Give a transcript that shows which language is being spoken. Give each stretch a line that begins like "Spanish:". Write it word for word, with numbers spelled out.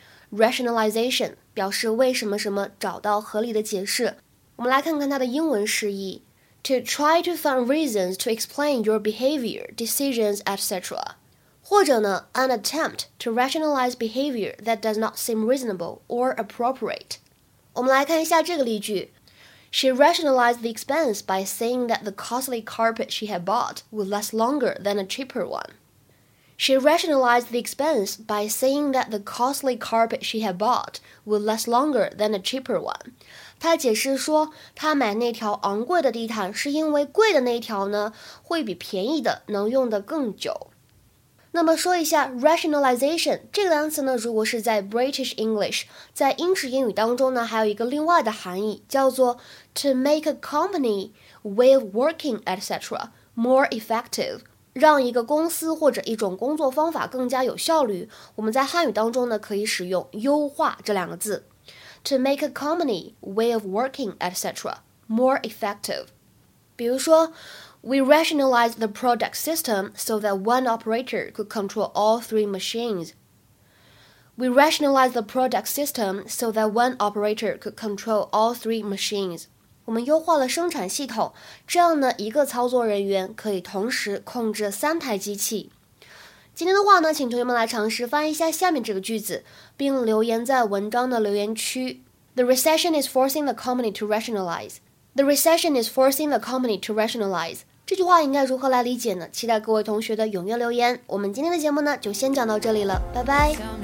Chinese: rationalization 表示为什么什么找到合理的解释。我们来看看它的英文释义。
English: To try to find reasons to explain your behavior, decisions, et cetera.
Chinese: 或者呢
English: an attempt to rationalize behavior that does not seem reasonable or appropriate.
Chinese: 我们来看一下这个例句
English: She rationalized the expense by saying that the costly carpet she had bought would last longer than a cheaper one. She rationalized the expense by saying that the costly carpet she had bought would last longer than a cheaper one.
Chinese: 他解释说，他买那条昂贵的地毯是因为贵的那条呢，会比便宜的能用得更久。那么说一下 rationalization 这个单词呢，如果是在 British English， 在英式英语当中呢，还有一个另外的含义，叫做
English: to make a company way of working et cetera more effective，
Chinese: 让一个公司或者一种工作方法更加有效率。我们在汉语当中呢，可以使用优化这两个字。
English: To make a company, way of working, et cetera more effective.
Chinese: 比如说
English: We rationalized the product system so that one operator could control all three machines. We rationalized the product system so that one operator could control all three machines.
Chinese: 我们优化了生产系统，这样呢，一个操作人员可以同时控制三台机器。今天的话呢，请同学们来尝试翻译一下下面这个句子，并留言在文章的留言区。
English: The recession is forcing the company to rationalize. The recession is forcing the company to rationalize.
Chinese: 这句话应该如何来理解呢？期待各位同学的踊跃留言。我们今天的节目呢，就先讲到这里了，拜拜。